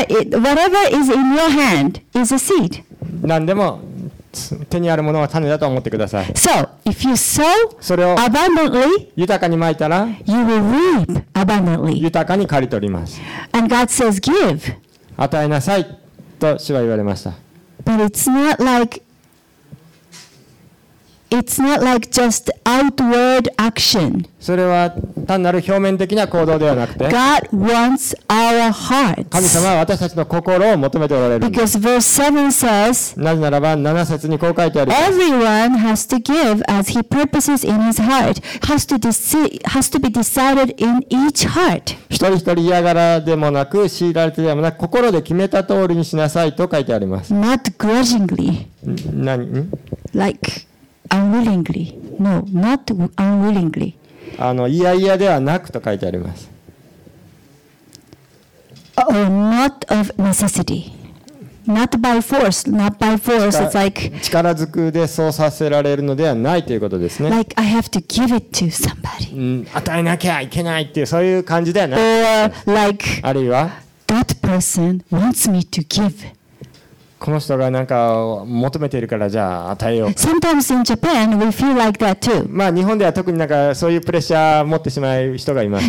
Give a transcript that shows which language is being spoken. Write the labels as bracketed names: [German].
[English] Whatever is in your hand is a seed. [Japanese] 何でも手にあるものは種だと思ってください。 [English] So, if you sow, [Japanese] それを [English] abundantly, [Japanese] 豊かにまいたら、 [English] you will reap abundantly. [Japanese] 豊かに刈り取ります。 [English] And God says, give. [Japanese] 与えなさいと主は言われました。 [English] But it's not like just outward action. [Japanese] それは単なる表面的な行動ではなくて、 [English] God wants our hearts. [Japanese] 神様は私たちの心を求めておられる。 [English] Because verse 7 says, [Japanese] なぜならば7節にこう書いてあります。 [English] Everyone has to give as he purposes in his heart. Has to be decided in each heart. [Japanese] 一人一人嫌がらでもなく、強いられてでもなく、心で決めた通りにしなさいと書いてあります。 [English] Not grudgingly. [Japanese] 何？ [English] Like,Unwillingly. No, not unwillingly. [Japanese] あの、いやいやではなくと書いてあります。 [English] Not of necessity. Not by force. Not by force. It's like [Japanese] 力ずくでそうさせられるのではないということですね。 [English] Like I have to give it to somebody. [Japanese] 与えなきゃいけないっていうそういう感じではない。 [English] Or like [Japanese] あるいは [English] that person wants me to give. [Japanese] この人が何か求めているからじゃあ与えよう。 [English] Sometimes in Japan we feel like that too. [Japanese] まあ日本では特になんかそういうプレッシャーを持ってしまう人がいます。